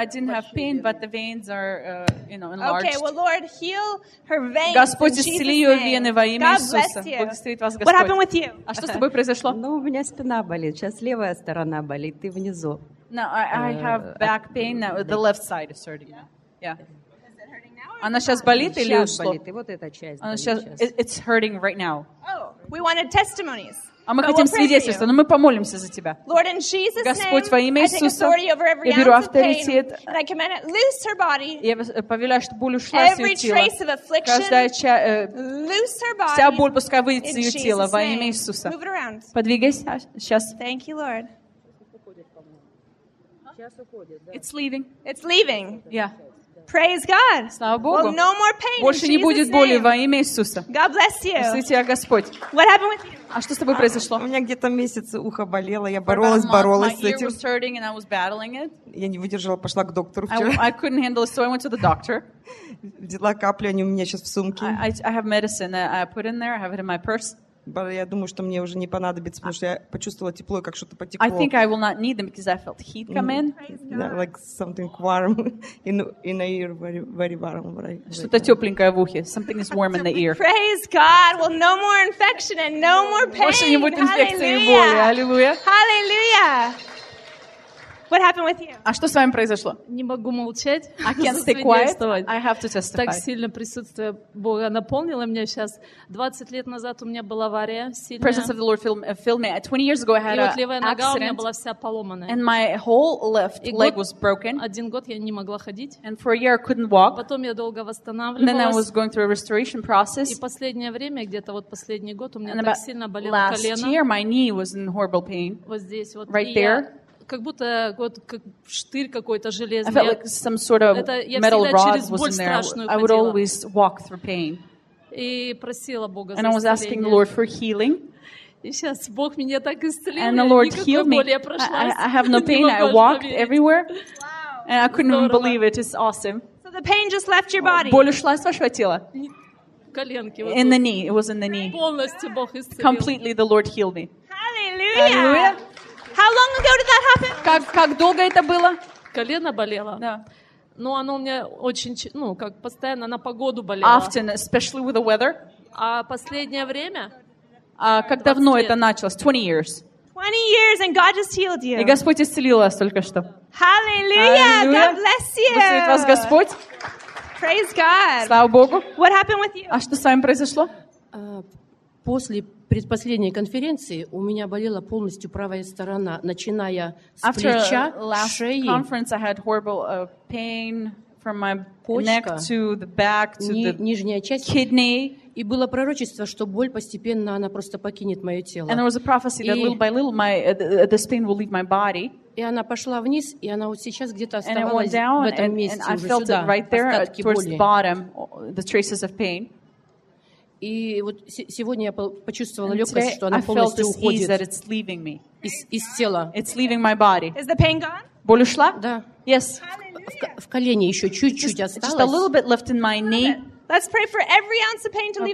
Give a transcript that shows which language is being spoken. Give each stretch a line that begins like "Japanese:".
English: I didn't have pain, but the veins are, enlarged. Okay, well, Lord, heal her veins.
Russian: Господь исцели ее вены во имя Иисуса.
English: God bless you.
Russian: Вас,
English: What happened with you?
Russian: А что с тобой произошло? Ну, у меня спина болит. Сейчас левая сторона болит, ты внизу.
English: No, I have back pain. Now. The left side is hurting. Yeah.
Russian: Она сейчас болит или ушло? Болит. И вот эта часть. Она сейчас.
English: It's hurting right now. Oh, we wanted testimonies.
Russian: А мы хотим свидетельства, но мы помолимся за тебя.
English: Lord, in Jesus name,
Russian: Господь, во имя Иисуса, я беру авторитет, и я повелеваю, чтобы боль ушла с ее тела. Каждая часть, вся боль пускай выйдет с ее тела, во имя Иисуса. Подвигайся сейчас.
English: Thank you, Lord. It's leaving. It's leaving. Yeah. Praise God.
Russian: Слава Богу.
English: Well, no more pain.
Russian: Больше не будет боли во имя Иисуса.
English: God bless you.
Russian: Благослови тебя Господь.
English: What happened with you?
Russian: А что с тобой произошло? У меня где-то месяц ухо болело, я боролась с этим.
English: My ear was hurting and I was battling it.
Russian: Я не выдержала, пошла к доктору вчера.
English: I couldn't handle it, so I went to the doctor.
Russian: Взяла капли, они у меня сейчас в сумке.
English: I have medicine that I put in there. I have it in my purse.
Russian: Я думаю, что мне уже не понадобится, потому что я почувствовала тепло, как что-то потекло.
English: I think I will not need them because I felt heat come in. Yeah, like something warm in the ear, very warm.
Russian: Что-то тепленькое в ухе.
English: Something is warm in the ear. Praise God. Well, no more infection and no more pain.
Russian: Больше не будет инфекции и боли. Аллилуйя.
English: Hallelujah. What happened with you?
Russian: А что с вами произошло? Не могу молчать.
English: I can't stay quiet. I have to testify.
Russian: Так сильно присутствие Бога наполнило меня сейчас. 20 лет назад у меня была авария сильная.
English: Presence of the Lord filled me. 20 years ago I had an accident.
Russian: И левая нога у меня была вся поломанная.
English: And my whole left leg was broken.
Russian: Один год я не могла ходить.
English: And for a year I couldn't walk.
Russian: Потом я долго восстанавливалась.
English: Then I was going through a restoration process.
Russian: И последнее время, где-то вот последний год, у меня так сильно болело колено.
English: Last year my knee was in horrible pain.
Russian: Вот здесь вот.
English: Right there.
Russian: Как будто вот как штырь какой-то железный.
English: I felt like some sort of metal rod was in there. I would always walk through pain.
Russian: И просила Бога за исцеление.
English: And I was asking the Lord for healing.
Russian: И сейчас Бог меня так исцелил.
English: And the Lord healed me. I have no pain. I walked everywhere. And I couldn't even believe it. It's awesome. So the pain just left your body.
Russian: Боль ушла из вашего тела. Коленки.
English: In the knee. It was in the knee.
Russian: Полностью Бог исцелил.
English: Completely the Lord healed me. Hallelujah. How long ago did that happen?
Russian: Как долго это было? Колено болело. Да. Но оно у меня очень, ну, как постоянно на погоду болело.
English: Often, especially with the weather.
Russian: А последнее время? А как давно это началось?
English: 20 years. 20 years and God just healed you.
Russian: И Господь исцелил вас только что.
English: Hallelujah! God bless you.
Russian: Благословит вас Господь.
English: Praise God.
Russian: Слава Богу.
English: What happened with you?
Russian: А что с вами произошло? После предпоследней конференции у меня болела полностью правая сторона, начиная с
English: After
Russian: плеча,
English: last
Russian: шеи.
English: Conference, I had horrible pain from my почка, neck to the back to
Russian: нижняя часть.
English: Kidney.
Russian: И было пророчество, что боль постепенно она просто покинет мое тело.
English: And there was a prophecy that little by little my the pain will leave my body.
Russian: И она пошла вниз, и она вот сейчас где-то оставалась down, в этом месте
English: and
Russian: уже сюда.
English: Right there, towards the bottom, the traces of pain.
Russian: И вот сегодня я почувствовала легкость, что она полностью уходит
English: that it's leaving me.
Russian: Из тела.
English: It's leaving my body. Is the pain gone?
Russian: Боль ушла? Да.
English: Yes.
Russian: В колене еще чуть-чуть осталось.
English: Just a little bit left in my knee. Let's pray for every ounce of pain to leave.